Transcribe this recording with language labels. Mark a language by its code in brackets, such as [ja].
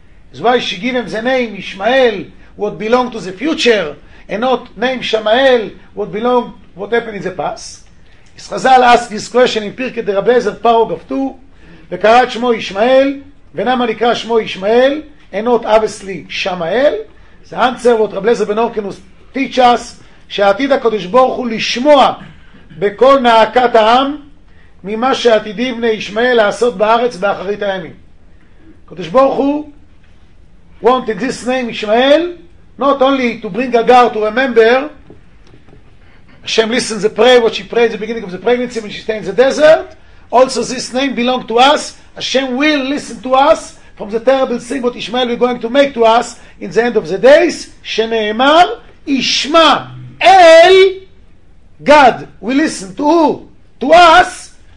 [en] That's why she gave him the name Ishmael, what belonged to the future, and not name Shamael, what belonged, what happened in the past. Is Chazal asked this question in Pirkei Derabbezer, paragraph 2, [he] וקראת שמו ישמעאל, ונמה נקרא שמו ישמעאל, [en] and not obviously Shamael. The answer what Rabbi Elazar ben Hyrcanus teach us, [he] שעתיד הקדוש ברוך הוא לשמוע בכל נאקת העם, ממה שעתידי בני ישמעאל לעשות בארץ באחרית הימים. [en] קדוש ברוך הוא wanted this name ישמעאל not only to bring Agar to remember Hashem listen the prayer what she prayed at the beginning of the pregnancy when she stayed in the desert, also this name belong to us. Hashem will listen to us from the terrible thing what ישמעאל we're going to make to us in the end of the days, שנאמר ישמעאל God will listen to who? To us.